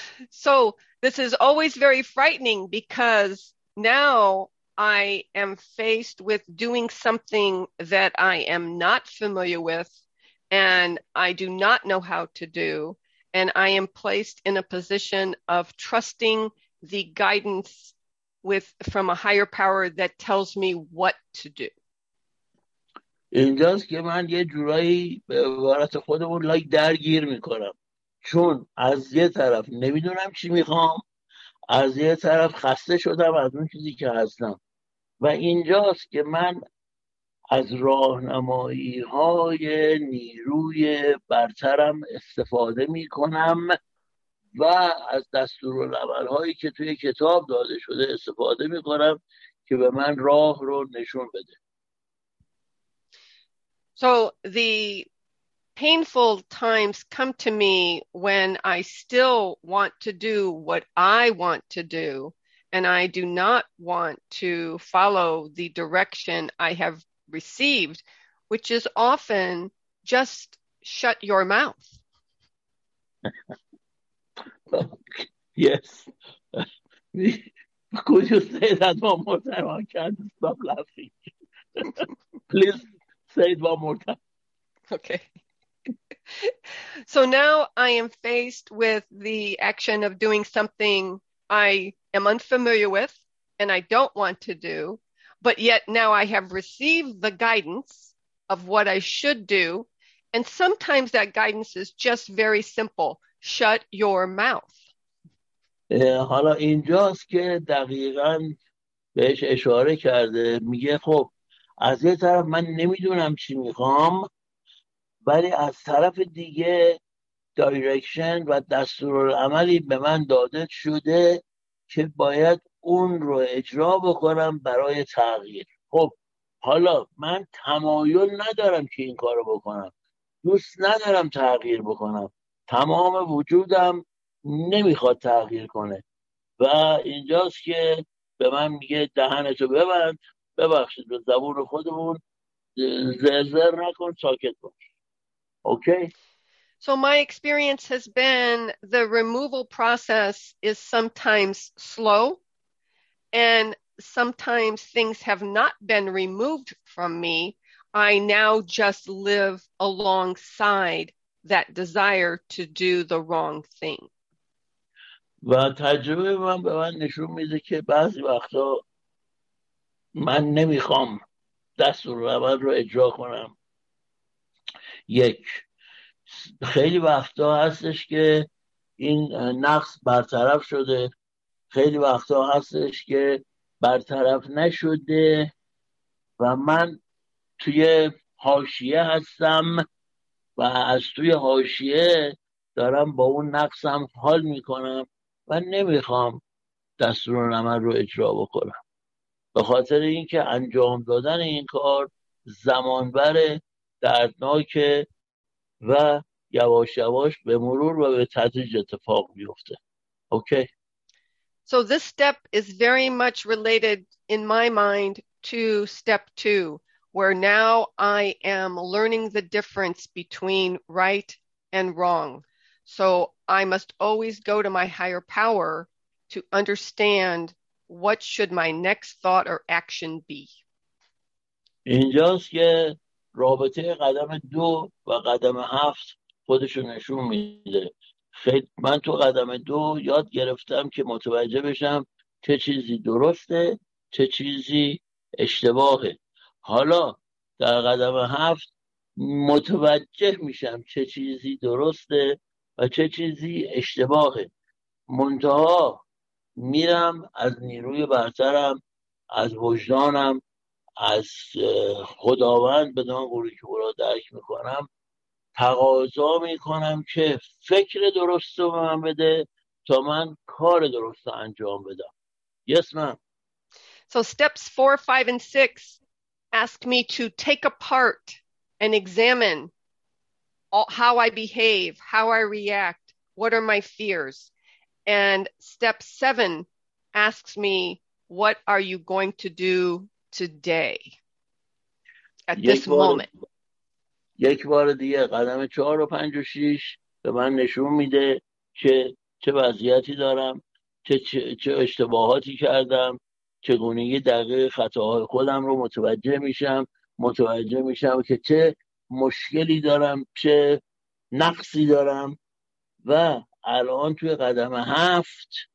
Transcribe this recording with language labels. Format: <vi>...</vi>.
<en>So this is always very frightening because now I am faced with doing something that I am not familiar with and I do not know how to do, and I am placed in a position of trusting the guidance from a higher power that tells me what to do.</en> <fa>اینجاست که من یه جورایی به عبارت خودمون لایک درگیر میکنم، چون از یه طرف نمیدونم چی میخوام، از یه طرف خسته شدم از اون چیزی که هستم، و اینجاست که من از راهنمایی های نیروی برترم استفاده میکنم و از دستورالعمل هایی که توی کتاب داده شده استفاده میکنم که به من راه رو نشون بده.</fa> <en>So the painful times come to me when I still want to do what I want to do, and I do not want to follow the direction I have received, which is often just shut your mouth. Yes. Could you say that one more time? I can't stop laughing. Please say it one more time. Okay. So now I am faced with the action of doing something I am unfamiliar with and I don't want to do, but yet now I have received the guidance of what I should do. And sometimes that guidance is just very simple. Shut your mouth.</en> <fa>حالا اینجاست که دقیقا بهش اشاره کرده، میگه خب از یه طرف من نمیدونم چی میخوام، ولی از طرف دیگه دایرکشن و دستورالعملی به من داده شده که باید اون رو اجرا بکنم برای تغییر. خب حالا من تمایل ندارم که این کارو بکنم، دوست ندارم تغییر بکنم، تمام وجودم نمیخواد تغییر کنه، و اینجاست که به من میگه دهنتو ببند، ببخشید به زبون خودمون، زرزر نکن، ساکت باش.</fa> <en>Okay. So my experience has been the removal process is sometimes slow, and sometimes things have not been removed from me. I now just live alongside that desire to do the wrong thing.</en> <fa>و تجربه من به من نشون میده که بعضی وقتا من نمیخوام دستورالعمل رو اجرا کنم. یک، خیلی وقتا هستش که این نقص برطرف شده، خیلی وقتا هستش که برطرف نشده و من توی حاشیه هستم و از توی حاشیه دارم با اون نقصم حال میکنم و نمیخوام دستورالعمل رو اجرا بکنم، به خاطر اینکه انجام دادن این کار زمانبر، دردناک و یواش یواش به مرور و به تدریج اتفاق میفته. اوکی.</fa> <en>So this step is very much related in my mind to step 2, where now I am learning the difference between right and wrong. So I must always go to my higher power to understand what should my next thought or action be.</en> <fa>اینجاست که رابطه قدم 2 و قدم 7 خودشو نشون میده. خیلی من تو قدم 2 یاد گرفتم که متوجه بشم چه چیزی درسته، چه چیزی اشتباهه. حالا در قدم 7 متوجه میشم چه چیزی درسته و چه چیزی اشتباهه. منتها میرم از نیروی برترم، از وجدانم، از خداوند به نام قولی که برا درک میکنم، تقاضا میکنم که فکر درست رو من بده تا من کار درست انجام بدم.</fa> <en>Yes, ma'am. So steps 4, 5, and 6 ask me to take apart and examine how I behave, how I react, what are my fears. And step 7 asks me, what are you going to do today at this moment?</en> <fa>یک بار دیگه قدم 4, 5, و 6 به من نشون میده که چه وضعیتی دارم، چه اشتباهاتی کردم، چگونگی دقیق خطاهای خودم رو متوجه میشم، متوجه میشم که چه مشکلی دارم، چه نقصی دارم، و الان توی قدم 7</fa>